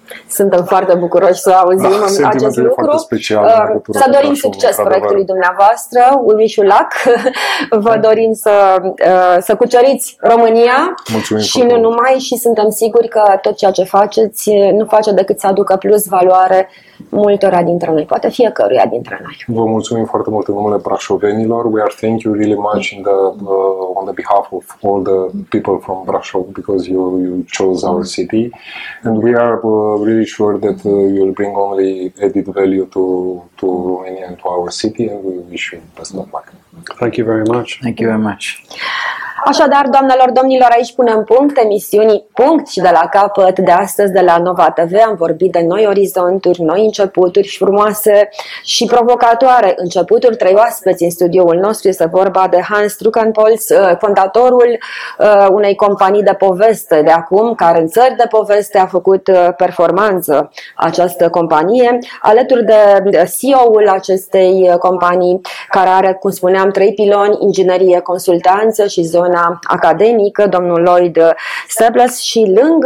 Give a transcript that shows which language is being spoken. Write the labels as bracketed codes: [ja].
[ro] Suntem foarte bucuroși să auzim acest lucru. Să dorim succes proiectului dumneavoastră. [en] We wish you luck. [ro] Vă dorim să cuceriți România. Mulțumim și nu numai, și suntem siguri că tot ceea ce faceți nu face decât să aducă plus valoare multora dintre noi, poate fiecăruia dintre noi. Vă mulțumim foarte mult în numele brașovenilor. [en] We are thank you really much in the on the behalf of all the people from Brașov, because you chose our city, and we are really sure that you'll bring only added value to Romania and to our city, and we wish you best of luck. Thank you very much. Thank you very much. [ro] Așadar, doamnelor, domnilor, aici punem punct emisiunii Punct și de la capăt de astăzi de la Nova TV. Am vorbit de noi orizonturi, noi începuturi frumoase și provocatoare. Începuturi, trei oaspeți în studioul nostru. Este vorba de Hans Druckenpols, fondatorul unei companii de poveste de acum, care în țări de poveste a făcut performanță această companie, alături de CEO-ul acestei companii, care are, cum spuneam, trei piloni: inginerie, consultanță și zona academică, domnul Lloyd Stables, și